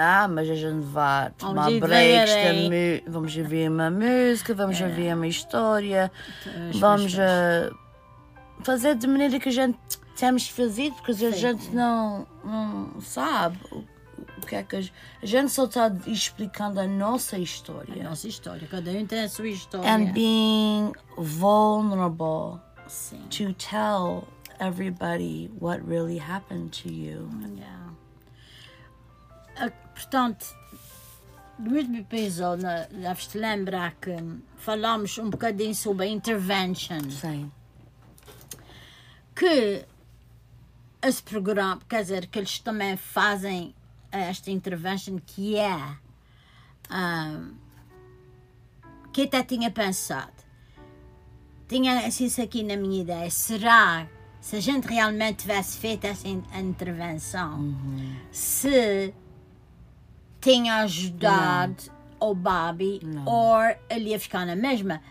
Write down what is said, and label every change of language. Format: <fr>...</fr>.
<pt>Mas a gente vai tomar breaks, vamos ouvir uma música, vamos ouvir uma história, vamos fazer de maneira que a gente temos fazido, porque a gente não sabe o que é que a gente só está explicando a nossa história. A nossa história, cada um tem a sua história.</pt> <en>And being vulnerable to tell everybody what really happened to you. Yeah.</en> <pt>Portanto, no último episódio, deves-te lembrar que falámos um bocadinho sobre a intervention. Sim. que esse programa, quer dizer, que eles também fazem esta intervention, que é que até tinha pensado, tinha isso aqui na minha ideia, será se a gente realmente tivesse feito essa intervenção, se tinha ajudado o Bobby, ou ele ia ficar na mesma.</pt>